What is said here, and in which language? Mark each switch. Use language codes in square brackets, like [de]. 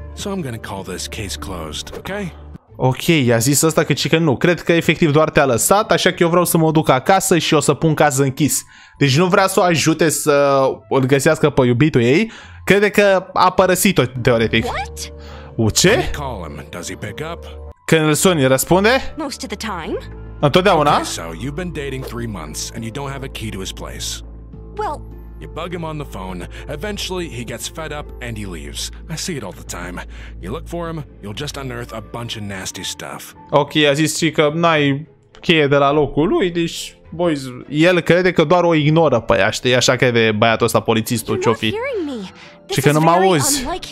[en] So I'm gonna call this case closed, okay? [ro] Ok, i-a zis asta că cică nu. Cred că efectiv doar te-a lăsat, așa că eu vreau să mă duc acasă și o să pun casă închis. Deci nu vrea să o ajute să îl găsească pe iubitul ei. Crede că a părăsit-o, teoretic. [en] What? [ro] U, ce? [en] Call him. Does he pick up? [ro] Când îl suni, răspunde? [en] Most of the time. [ro] Întotdeauna? [en] Okay, so you've been dating 3 months and you don't have a key to his place. Well, you bug him on the phone. Eventually, he gets fed up and he leaves. I see it all the time. You look for him, you'll just unearth a bunch of nasty stuff. [ro] Ok, a zis și că n-ai cheie de la locul lui, deci, boys, el crede că doar o ignoră pe ea, știi? Așa crede băiatul ăsta, polițistul, ce-o fi. Și că nu mă auzi.